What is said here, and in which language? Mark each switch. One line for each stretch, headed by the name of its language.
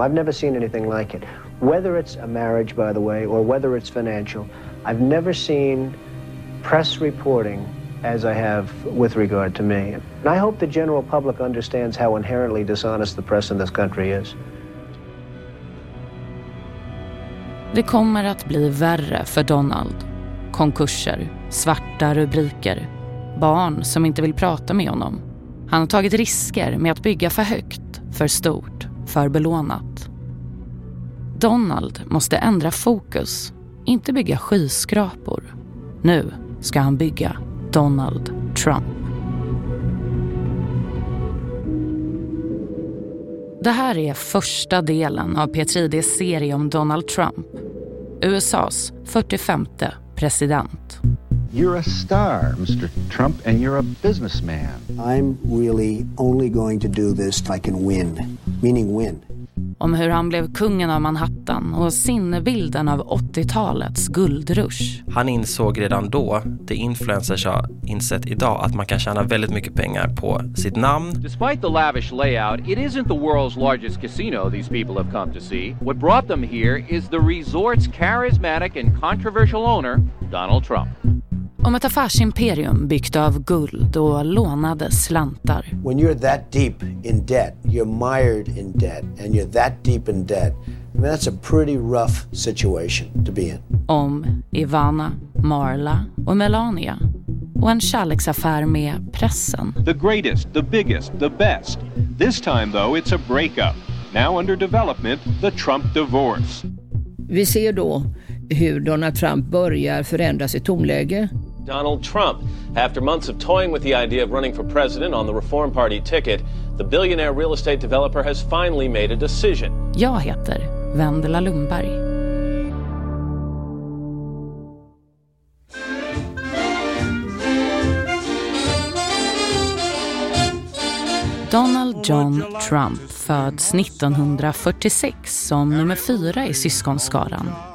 English: I've never seen anything like it. Whether it's a marriage, by the way, or whether it's financial, I've never seen press reporting as I have with regard to me. And I hope the general public understands how inherently dishonest the press in this country is.
Swedish: Det kommer att bli värre för Donald. Konkurser, svarta rubriker, barn som inte vill prata med honom. Han har tagit risker med att bygga för högt, för stort, för belånat. Donald måste ändra fokus, inte bygga skyskrapor. Nu ska han bygga Donald Trump. Det här är första delen av P3Ds serie om Donald Trump. USA:s 45:e president.
English: You're a star, Mr. Trump, and you're a businessman. I'm really only going to do this if I can win. Meaning win.
Swedish: Om hur han blev kungen av Manhattan och sinnebilden av 80-talets guldrush. Han insåg redan då, det influencers har insett idag, att man kan tjäna väldigt mycket pengar på sitt namn.
English: Despite the lavish layout, it isn't the world's largest casino these people have come to see. What brought them here is the resort's charismatic and controversial owner, Donald Trump.
Swedish: Om ett affärsimperium byggt av guld och lånade slantar.
English: When you're that deep in debt, you're mired in debt, and you're that deep in debt, I mean, that's a pretty rough situation to be in.
Swedish: Om Ivana, Marla och Melania. Och en kärleksaffär med pressen.
English: The greatest, the biggest, the best. This time though, it's a breakup. Now under development, the Trump divorce.
Swedish: Vi ser då hur Donald Trump börjar förändra sitt tonläge.
English: Donald Trump, after months of toying with the idea of running for president on the Reform Party ticket, the billionaire real estate developer has finally made a decision.
Swedish: Jag heter Wendela Lundberg. Donald John Trump föds 1946 som nummer 4 i syskonskaran.